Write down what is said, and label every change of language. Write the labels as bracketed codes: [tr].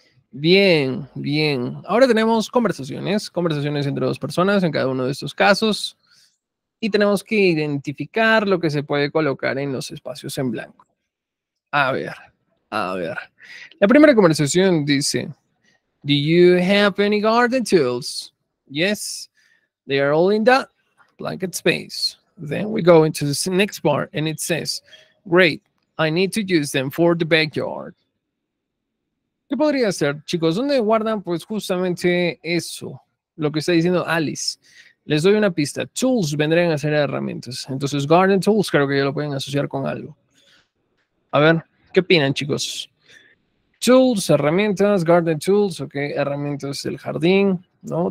[es] Bien, bien. Ahora tenemos conversaciones. Conversaciones entre dos personas en cada uno de estos casos. Y tenemos que identificar lo que se puede colocar en los espacios en blanco. A ver. A ver, la primera conversación dice, [en] Do you have any garden tools? Yes, they are all in that blanket space. Then we go into the next part and it says, great, I need to use them for the backyard. [es] ¿Qué podría hacer, chicos? ¿Dónde guardan? Pues justamente eso, lo que está diciendo Alice. Les doy una pista. Tools vendrían a ser herramientas. Entonces, garden tools creo que ya lo pueden asociar con algo. A ver, ¿qué opinan, chicos? Tools, herramientas, garden tools, ok, herramientas del jardín, ¿no?